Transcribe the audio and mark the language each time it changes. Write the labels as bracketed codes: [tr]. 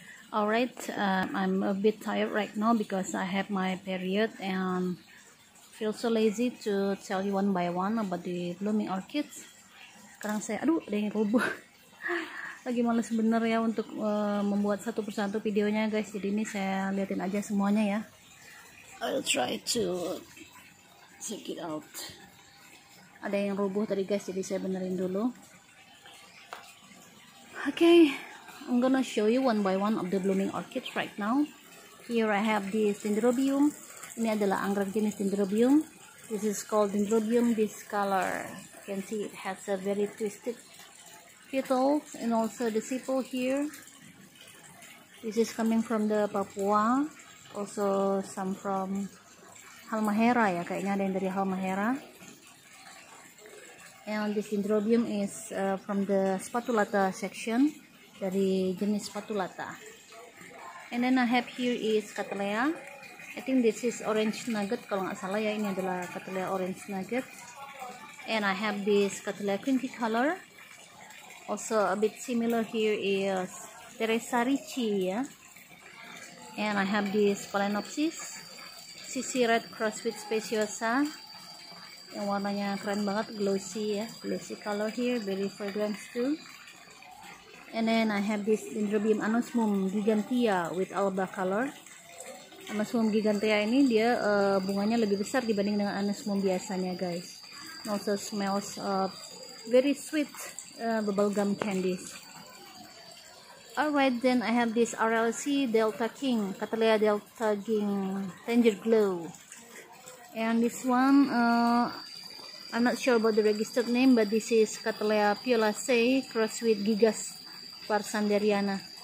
[en] Alright, I'm a bit tired right now because I have my period and feel so lazy to tell you one by one about the blooming orchids. [id] Sekarang saya, aduh, ada yang rubuh. Lagi malas bener ya untuk membuat satu persatu videonya, guys. Jadi ini saya liatin aja semuanya ya. [en] I'll try to check it out. [id] Ada yang rubuh tadi, guys, jadi saya benerin dulu. [en] Okay, I'm gonna show you one by one of the blooming orchids right now. Here I have this dendrobium. [id] Ini adalah anggrek jenis dendrobium. [en] This is called dendrobium discolor. You can see it has a very twisted petals and also the sepal here. This is coming from the Papua. Also some from Halmahera ya, [id] kayaknya ada yang dari Halmahera. [en] And this dendrobium is from the spatulata section, [id] dari jenis spatulata. [en] And then I have here is Cattleya. I think this is orange nugget, [id] kalau nggak salah ya, ini adalah Cattleya orange nugget. [en] And I have this Cattleya crinkly color. Also a bit similar here is Teresa Ricci ya. And I have this Phalaenopsis CC red crossfit speciosa, [id] yang warnanya keren banget, glossy ya, [en] glossy color here, very fragrance too. And then I have this dendrobium anosmum gigantea with alba color. [id] Anosmum gigantea ini dia bunganya lebih besar dibanding dengan anosmum biasanya, guys. [en] And also smells of very sweet bubblegum candies. Alright, then I have this RLC Delta King, Cattleya Delta King Tanger Glow. And this one, I'm not sure about the registered name, but this is Cattleya Piolaceae cross with Gigas Varsanderiana.